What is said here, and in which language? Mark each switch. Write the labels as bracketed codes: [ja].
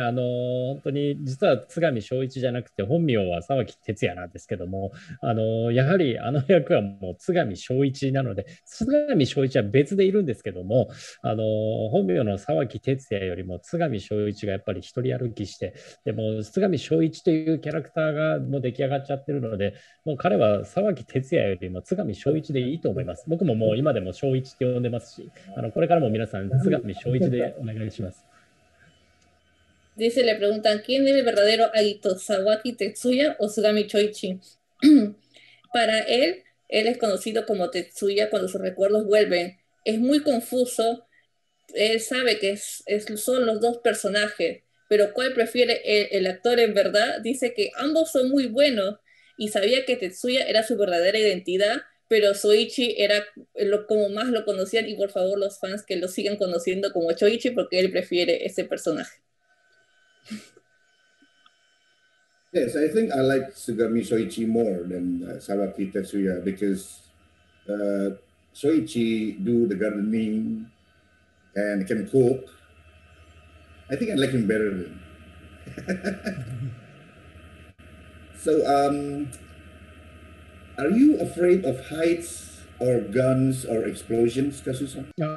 [ja] 本当に実は津上翔一じゃなくて本名は沢木哲也なんですけども、やはりあの役はもう津上翔一なので、津上翔一は別でいるんですけども、本名の沢木哲也よりも津上翔一がやっぱり一人歩きして、でも津上翔一というキャラクターがもう出来上がっちゃってるので、もう彼は沢木哲也よりも津上翔一でいいと思います。僕ももう今でも翔一って呼んでますし、これからも皆さん津上翔一でお願いします。 [es] Dice, le preguntan, ¿quién es el verdadero Agito, Sawaki Tetsuya o Sugami Shoichi? Para él, él es conocido como Tetsuya cuando sus recuerdos vuelven. Es muy confuso, él sabe que son los dos personajes, pero ¿cuál prefiere el actor en verdad? Dice que ambos son muy buenos y sabía que Tetsuya era su verdadera identidad, pero Shoichi era lo como más lo conocían, y por favor los fans que lo sigan conociendo como Shoichi, porque él prefiere ese personaje. [en] Yes, I think I like Tsugami Shoichi more than Sawaki Tetsuya because Shoichi do the gardening and can cook. I think I like him better than So, are you afraid of heights or guns or explosions, Kasu-san?